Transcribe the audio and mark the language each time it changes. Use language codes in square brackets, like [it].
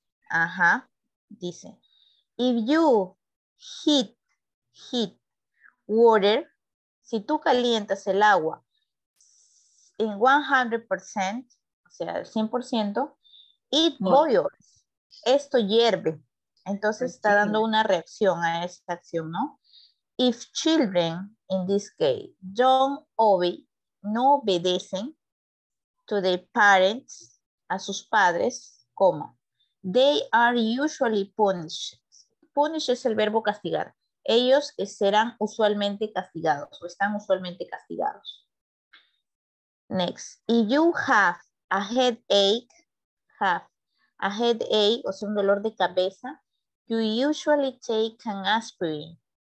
[es] Ajá, dice. [en] If you heat water, [es] si tú calientas el agua en 100%, o sea, el 100%, [en] it boils. [es] Esto hierve. Entonces está dando una reacción a esta acción, ¿no? [en] If children, in this case, [es] no obedecen [en] to their parents, [es] a sus padres, coma, [en] they are usually punished. [es] Punish es el verbo castigar. Ellos serán usualmente castigados o están usualmente castigados. [en] Next. If you have a headache, [es] o sea, un dolor de cabeza, [en] you usually take an aspirin.